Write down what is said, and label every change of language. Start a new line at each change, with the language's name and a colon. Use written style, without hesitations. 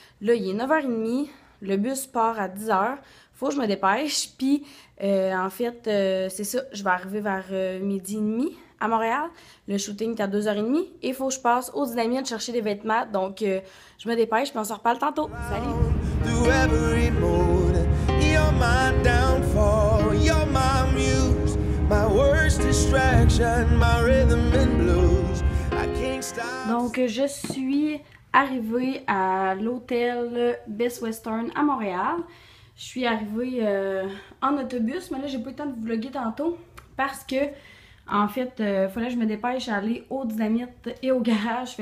French: Là, il est 9h30, le bus part à 10h, faut que je me dépêche, puis c'est ça, je vais arriver vers midi et demi à Montréal. Le shooting est à 2h30 et il faut que je passe aux Dynamites chercher des vêtements, donc je me dépêche, puis on se reparle tantôt. Salut!
English: Through every mode, you're my downfall, you're my muse, my worst distraction, my rhythm and blues. I can't stop.
French: Donc, je suis arrivée à l'hôtel Best Western à Montréal. Je suis arrivée en autobus, mais là, j'ai pas eu le temps de vlogger tantôt parce que, en fait, fallait que je me dépêche à aller au Dynamite et au garage.